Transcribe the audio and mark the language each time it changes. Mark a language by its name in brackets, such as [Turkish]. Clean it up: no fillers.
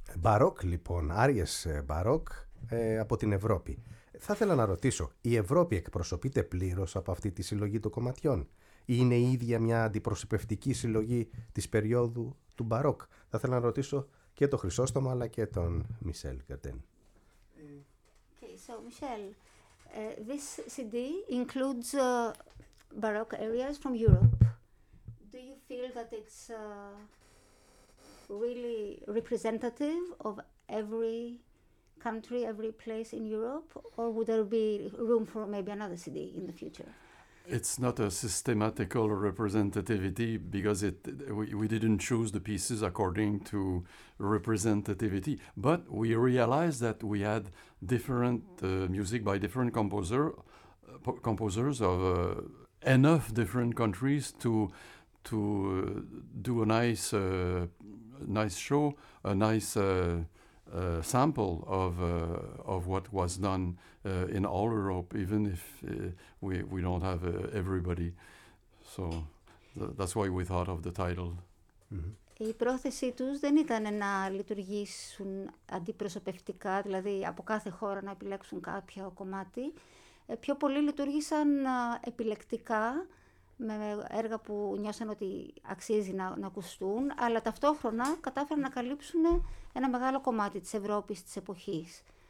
[Greek] Μπαρόκ λοιπόν, άριες μπαρόκ από την Ευρώπη. Θα ήθελα να ρωτήσω, η Ευρώπη εκπροσωπείται πλήρως από αυτή τη συλλογή των κομματιών? Είναι η ίδια μια αντιπροσωπευτική συλλογή της περίοδου του Μπαρόκ? Θα ήθελα να ρωτήσω και τον Χρυσόστομο αλλά και τον Μισελ Κατέν. [English] Okay, so Michel, this CD includes Baroque areas from Europe. Do you feel that it's really representative of every country, every place in Europe, or would there be room for maybe another CD in the future? It's not a systematical representativity because we didn't choose the pieces according to representativity. But we realized that we had different music by different composers of enough different countries to to do a nice nice show, a nice sample of what was done in all Europe, even if we don't have everybody. So that's why we thought of the title. [Greek] Η πρόθεσή τους δεν ήταν να λειτουργήσουν αντιπροσωπευτικά, δηλαδή από κάθε χώρα να επιλέξουν κάποιο κομμάτι. Πιο πολύ λειτουργήσαν επιλεκτικά, με έργα που νιώσαν ότι αξίζει να ακουστούν, αλλά ταυτόχρονα κατάφεραν να καλύψουν ένα μεγάλο κομμάτι της Ευρώπης, της εποχής.